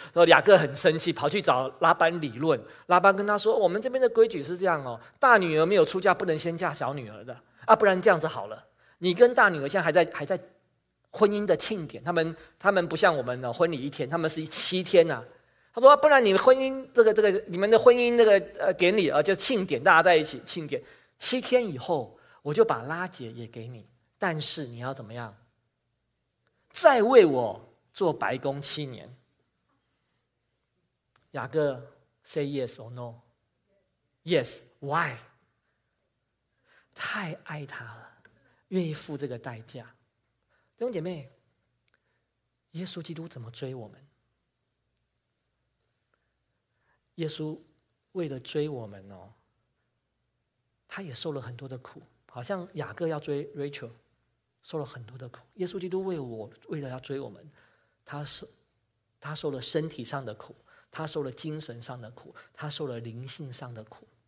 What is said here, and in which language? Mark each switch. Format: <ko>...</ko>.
<zh>然后雅各很生气，跑去找拉班理论。拉班跟他说，我们这边的规矩是这样哦，大女儿没有出嫁不能先嫁小女儿的啊，不然这样子好了，你跟大女儿现在还在婚姻的庆典，他们不像我们的婚礼一天，他们是七天啊。他说，不然你婚姻这个你们的婚姻那个典礼啊，就庆典，大家在一起庆典七天以后，我就把拉结也给你，但是你要怎么样，再为我做白工七年。</zh> <en>雅各 say yes or no? Yes. Why?</en> <zh>太爱他了，愿意付这个代价。弟兄姐妹，耶稣基督怎么追我们？耶稣为了追我们哦，他也受了很多的苦，好像雅各要追 Rachel 受了很多的苦，耶稣基督为了要追我们，他受了身体上的苦，他受了精神上的苦，他受了灵性上的苦。</zh>